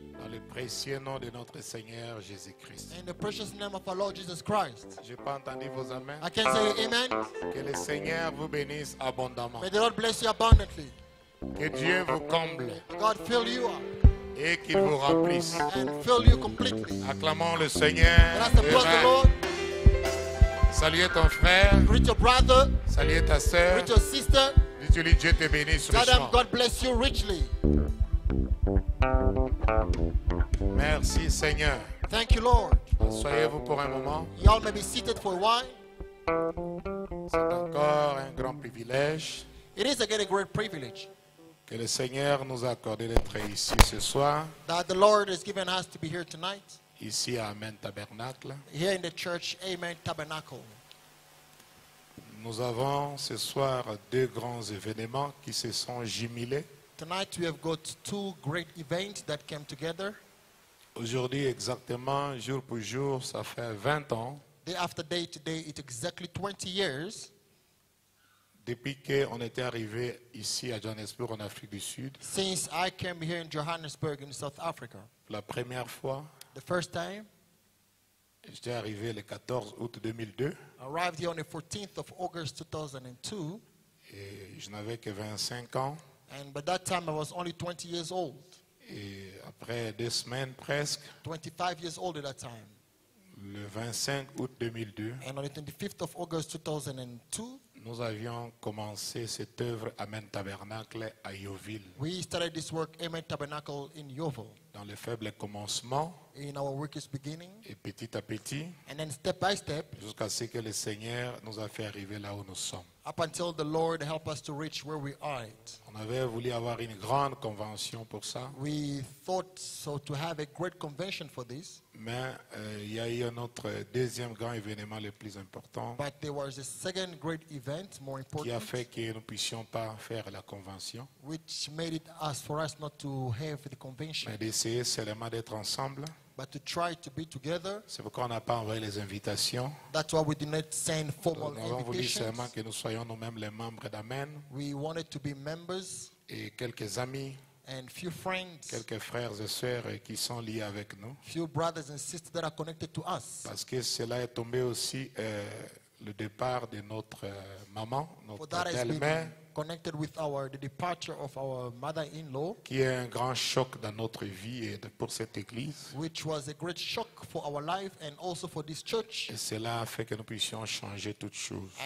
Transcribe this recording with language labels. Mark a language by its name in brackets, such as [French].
[French] Dans le précieux nom de notre Seigneur Jésus-Christ. [English] In the precious name of our Lord Jesus Christ. [French] J'ai pas entendu vos amens. [English] I can't say amen. [French] Que le Seigneur vous bénisse abondamment. [English] May the Lord bless you abundantly. [French] Que Dieu vous comble. [English] God fill you up. [French] Et qu'il vous remplisse. [English] And fill you completely. [French] Acclamons le Seigneur. [English] Amen. [French] Saluez ton frère. [English] Greet your brother. [French] Saluez ta sœur. [English] Greet your sister. [French] Dis-lui Dieu te bénisse richement. [English] Tell them God bless you richly. [French] Merci Seigneur. [English] Thank you Lord. [French] Asseyez-vous pour un moment. [English] Y'all may be seated for a while. [French] C'est encore un grand privilège. [English] It is again a great privilege. [French] Que le Seigneur nous a accordé d'être ici ce soir. [English] That the Lord has given us to be here tonight. [French] Ici à Amen Tabernacle. [English] Here in the church, Amen Tabernacle. [French] Nous avons ce soir deux grands événements qui se sont jumelés. [English] Tonight we have got two great events that came together. [French] Aujourd'hui exactement jour pour jour, ça fait 20 ans. [English] Day after day today, it's exactly 20 years. [French] Depuis qu'on était arrivé ici à Johannesburg en Afrique du Sud. [English] Since I came here in Johannesburg in South Africa. [French] La première fois. [English] The first time, [French] j'étais arrivé le 14 août 2002. [English] I arrived here on the 14th of August 2002. [French] Et je n'avais que 25 ans. [English] And by that time I was only 20 years old. [French] Et après deux semaines presque. [English] 25 years old at that time. [French] Le 25 août 2002. [English] And on the 25th of August 2002. [French] Nous avions commencé cette œuvre Amen Tabernacle à Yeovil. [English] We started this work Amen Tabernacle in Yeovil. [French] Dans le faible commencement. [English] In our weakest beginning. [French] Et petit à petit. [English] And then step by step. [French] Jusqu'à ce que le Seigneur nous a fait arriver là où nous sommes. [English] Up until the Lord helped us to reach where we are. [French] On avait voulu avoir une grande convention pour ça. [English] We thought so to have a great convention for this. [French] Mais il y a eu notre deuxième grand événement le plus important. [English] But there was a second great event more important. [French] Qui a fait que nous puissions pas faire la convention. [English] Which made it as for us not to have the convention. [French] Mais d'essayer seulement d'être ensemble. [English] But to try to be together. [French] C'est pourquoi on n'a pas envoyé les invitations. [English] That's why we did not send formal invitations. [French] Nous avons voulu seulement que nous soyons nous-mêmes les membres d'Amen. [English] We wanted to be members. [French] Et quelques amis. [English] And few friends. [French] Quelques frères et sœurs qui sont liés avec nous. [English] Few brothers and sisters that are connected to us. [French] Parce que cela est tombé aussi le départ de notre maman, notre belle-mère. [English] Connected with the departure of our mother-in-law, [French] qui est un grand choc dans notre vie et pour cette église, [English] which was a great shock for our life and also for this church. [French] Et cela a fait que nous puissions changer toutes choses.